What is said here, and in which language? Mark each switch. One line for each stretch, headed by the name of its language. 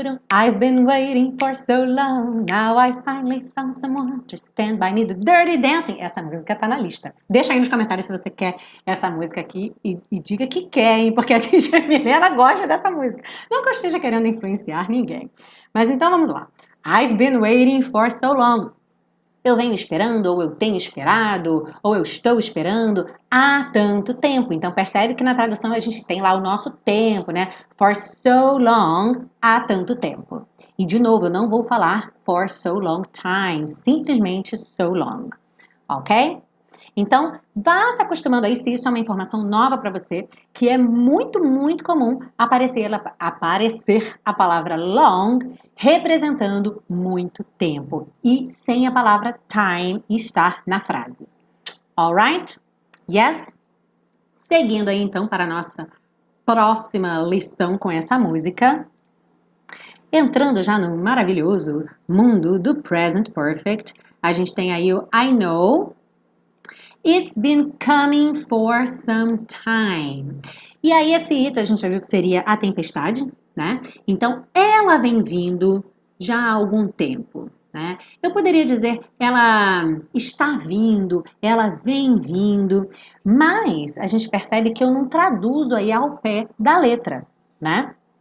English: I've been waiting for so long. Now I finally found someone to stand by me. The Dirty Dancing.
Portuguese: Essa música tá na lista. Deixa aí nos comentários se você quer essa música aqui e diga que quer, hein? Porque a Teacher Milena gosta dessa música. Não que eu esteja querendo influenciar ninguém. Mas então vamos lá.
English: I've been waiting for so long.
Portuguese: Eu venho esperando, ou eu tenho esperado, ou eu estou esperando há tanto tempo. Então, percebe que na tradução a gente tem lá o nosso tempo, né?
English: For so long,
Portuguese: há tanto tempo. E, de novo, eu não vou falar
English: for so long time,
Portuguese: simplesmente so long. Ok? Então, vá se acostumando aí, se isso é uma informação nova para você, que é muito, muito comum aparecer a palavra long representando muito tempo e sem a palavra time estar na frase. All right? Yes? Seguindo aí, então, para a nossa próxima lição com essa música. Entrando já no maravilhoso mundo do present perfect, a gente tem aí o
English: I know. It's been coming for some time.
Portuguese: E aí, esse it a gente já viu que seria a tempestade, né? Então, ela vem vindo já há algum tempo, né? Eu poderia dizer, ela está vindo, ela vem vindo, mas a gente percebe que eu não traduzo aí ao pé da letra, né?